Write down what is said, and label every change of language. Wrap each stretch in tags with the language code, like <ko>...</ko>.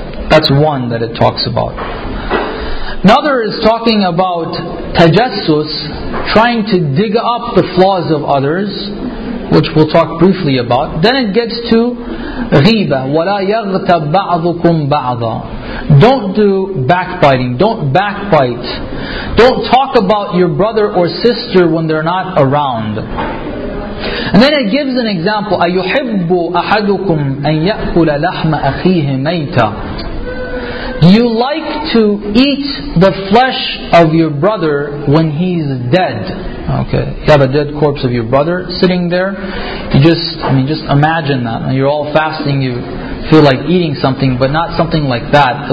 <en>That's one that it talks about. Another is talking about tajassus, trying to dig up the flaws of others, which we'll talk briefly about. Then it gets to ghiba,</en> <ar>وَلَا يَغْتَبْ بَعْضُكُمْ بَعْضًا.</ar> <en>Don't do backbiting, don't backbite. Don't talk about your brother or sister when they're not around. And then it gives an example,</en> <ar>أَيُحِبُّ أَحَدُكُمْ أَنْ يَأْكُلَ لَحْمَ أَخِيهِ مَيْتًا.</ar> <en>You like to eat the flesh of your brother when he's dead. Okay, you have a dead corpse of your brother sitting there. Just imagine that. You're all fasting, you feel like eating something, but not something like that.</en>